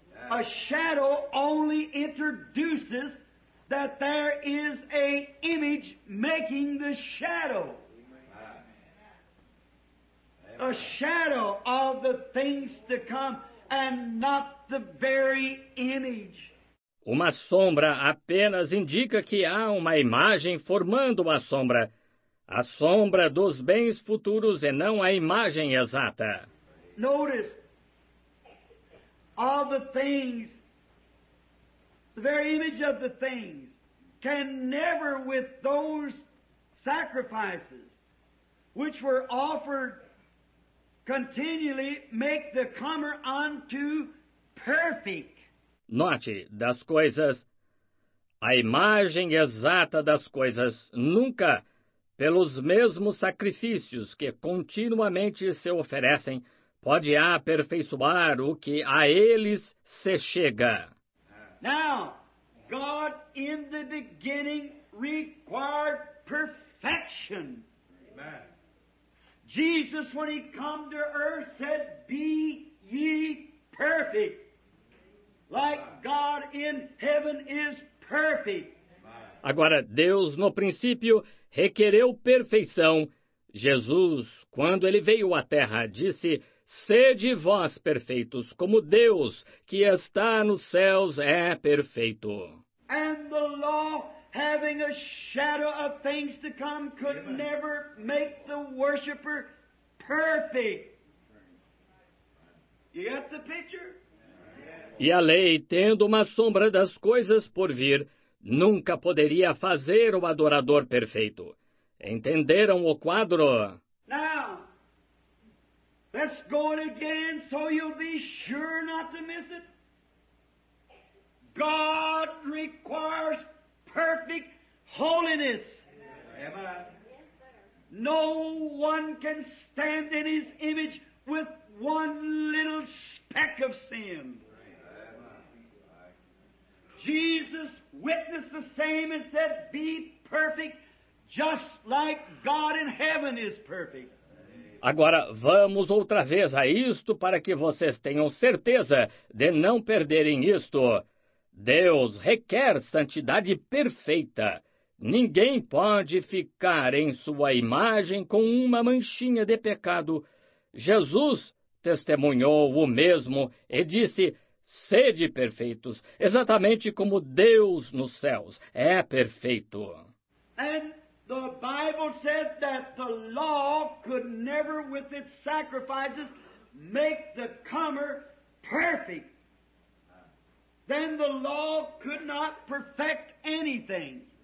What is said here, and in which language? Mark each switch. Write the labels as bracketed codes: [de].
[en] A shadow only introduces that there is a image making the shadow. A shadow of the things to come and not the very image. [pt] Uma sombra apenas indica que há uma imagem formando a sombra dos bens futuros e não a imagem exata. [en] Notice all the things, the very image of the things, can never with those sacrifices which were offered continually make the comer unto perfect. [pt] Note, das coisas, a imagem exata das coisas nunca, pelos mesmos sacrifícios que continuamente se oferecem, pode aperfeiçoar o que a eles se chega. [en] Now, God in the beginning required perfection. Amen. Jesus, when he came to earth, said, Be ye perfect. Like God in heaven is perfect. [pt] Agora, Deus no princípio requereu perfeição. Jesus, quando ele veio à terra, disse, Sede vós perfeitos, como Deus, que está nos céus, é perfeito. [en] And the law, having a shadow of things to come, could Amen. Never make the worshiper perfect. You get the picture? [pt] E a lei, tendo uma sombra das coisas por vir, nunca poderia fazer o adorador perfeito. Entenderam o quadro? [en] Now, let's go it again so you'll be sure not to miss it. God requires perfect holiness. Amen. No one can stand in his image with one little speck of sin. Jesus witnessed the same and said, Be perfect, just like God in heaven is perfect. [pt] Agora, vamos outra vez a isto para que vocês tenham certeza de não perderem isto. Deus requer santidade perfeita. Ninguém pode ficar em sua imagem com uma manchinha de pecado. Jesus testemunhou o mesmo e disse, Sede perfeitos, exatamente como Deus nos céus é perfeito. [en] And the Bible said that the law could never with its sacrifices make the comer perfect. Then the law could not perfect anything.